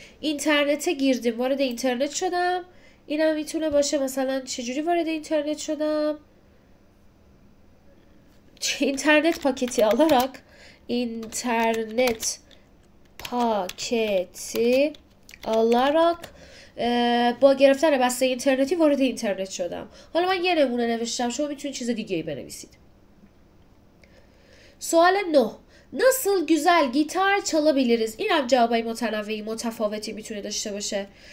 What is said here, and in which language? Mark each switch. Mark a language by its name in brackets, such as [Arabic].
[Turkish] اینترنته گیردیم، [Persian] وارد اینترنت شدم. این هم میتونه باشه مثلا چجوری وارد اینترنت شدم؟ [Turkish] اینترنت پاکتی alarak، اینترنت پاکتی alarak، [Persian] با گرفتن بسته اینترنتی وارد اینترنت شدم. حالا من یه نمونه نوشتم، شما میتونید چیز دیگه ای بنویسید. [Turkish] سوال 9، Nasıl güzel gitar çalabiliriz? İnan cevabı [Persian] متنوعی متفاوتی میتونه داشته باشه.